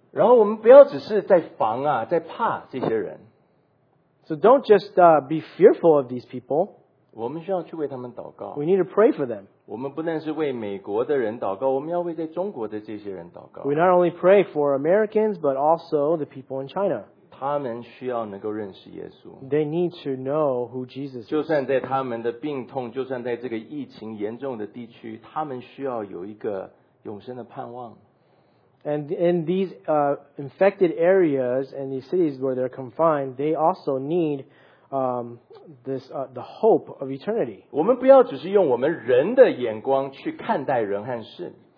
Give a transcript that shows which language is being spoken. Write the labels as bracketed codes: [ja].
[zh] 然后我们不要只是在防啊，在怕这些人。 [en] So don't just be fearful of these people. [zh] 我们需要去为他们祷告。 [en] We need to pray for them. [zh] 我们不但是为美国的人祷告，我们要为在中国的这些人祷告。 [en] We not only pray for Americans, but also the people in China. [zh] 他们需要能够认识耶稣。 [en] They need to know who Jesus is. [zh] 就算在他们的病痛，就算在这个疫情严重的地区，他们需要有一个永生的盼望。 [en] And in these infected areas and these cities where they're confined, they also need the hope of eternity. [zh] 我们不要只是用我们人的眼光去看待人和事。